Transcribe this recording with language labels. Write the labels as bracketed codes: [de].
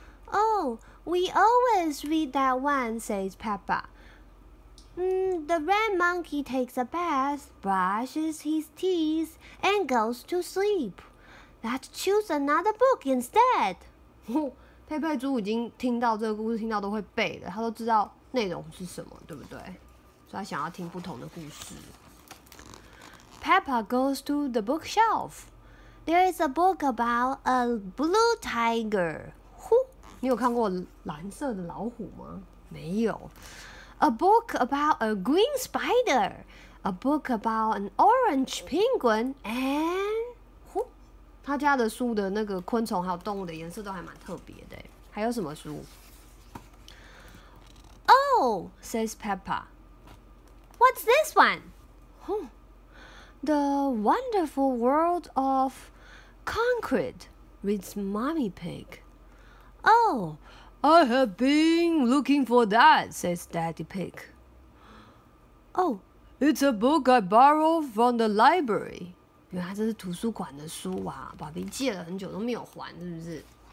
[en] Oh, we always read that one, says Peppa. The red monkey takes a bath, brushes his teeth, and goes to sleep. Let's choose another book instead. [zh] Peppa 猪已经听到这个故事，听到都会背了，他都知道内容是什么，对不对？所以他想要听不同的故事。 [en] Peppa goes to the bookshelf. There is a book about a blue tiger. [zh] 呼，你有看过蓝色的老虎吗？没有。 [en] A book about a green spider. A book about an orange penguin. And [zh] 呼，他家的书的那个昆虫还有动物的颜色都还蛮特别的。还有什么书 [en] ？Oh, says Peppa. What's this one? 呼。 The Wonderful World of Concrete, reads Mommy Pig. Oh, I have been looking for that, says Daddy Pig. Oh, it's a book I borrowed from the library. [zh] 原来这是图书馆的书啊，爸爸借了很久都没有还，是不是？